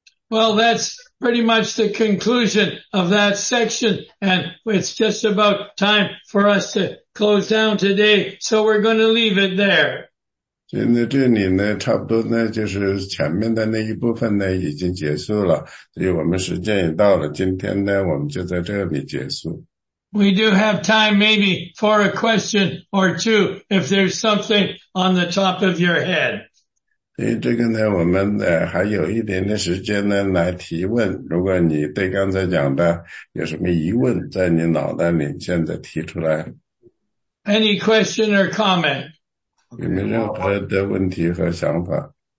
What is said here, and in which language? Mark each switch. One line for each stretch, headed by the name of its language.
English: Well, that's pretty much the conclusion of that section, and it's just about time for us to close down today, so we're going to leave it there.
Chinese: 所以呢，这里呢，差不多呢，就是前面的那一部分呢，已经结束了。所以我们时间也到了，今天呢，我们就在这里结束。
English: We do have time maybe for a question or two if there's something on the top of your head.
Chinese: 所以这个呢，我们还有一点的时间呢，来提问。如果你对刚才讲的有什么疑问，在你脑袋里现在提出来。
English: Any question or comment?
Chinese: Okay, 有没有任何的问题和想法？